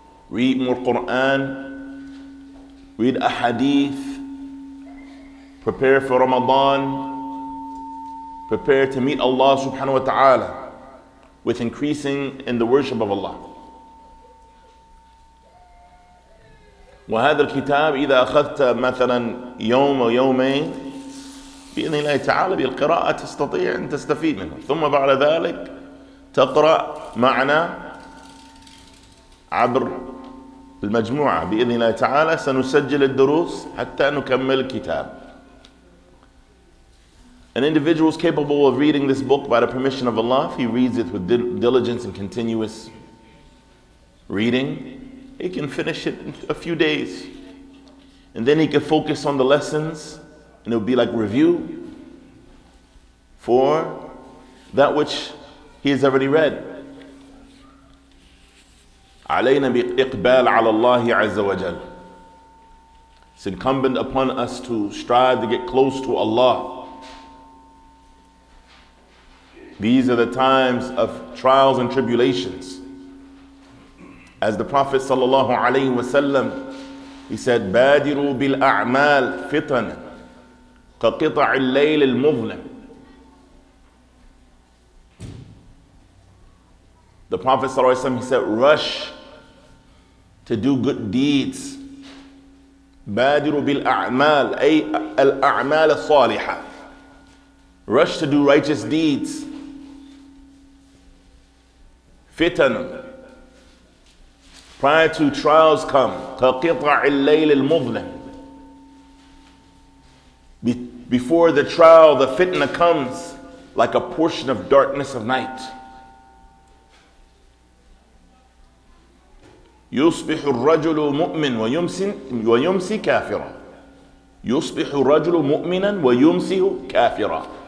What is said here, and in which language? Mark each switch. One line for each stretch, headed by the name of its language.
English: Read more Quran, read a hadith, prepare for Ramadan, prepare to meet Allah subhanahu wa ta'ala with increasing in the worship of Allah.
Arabic: وهذا الكتاب إذا أخذت مثلا يوم أو يومين بإذن الله تعالى بالقراءة تستطيع أن تستفيد منه ثم بعد ذلك تقرأ معنا عبر المجموعة بإذن الله تعالى سنسجل الدروس حتى نكمل الكتاب.
English: An individual is capable of reading this book by the permission of Allah if he reads it with diligence and continuous reading. He can finish it in a few days. And then he can focus on the lessons and it would be like review for that which he has already read.
Arabic: علينا بإقبال على الله عز وجل.
English: It's incumbent upon us to strive to get close to Allah. These are the times of trials and tribulations. As the Prophet sallallahu alayhi wa sallam, he said,
Arabic: بادروا بالأعمال فتن كقطع الليل المظلم.
English: The Prophet sallallahu alayhi wa sallam, he said, rush to do good deeds.
Arabic: بادروا بالأعمال أي الأعمال الصالحة.
English: Rush to do righteous deeds.
Arabic: فتن.
English: Prior to trials come,
Arabic: كقطع الليل المظلم.
English: Before the trial, the fitna comes like a portion of darkness of night.
Arabic: يصبح الرجل مؤمن ويمسي كافرا. يصبح الرجل مؤمنا ويمسي كافرا.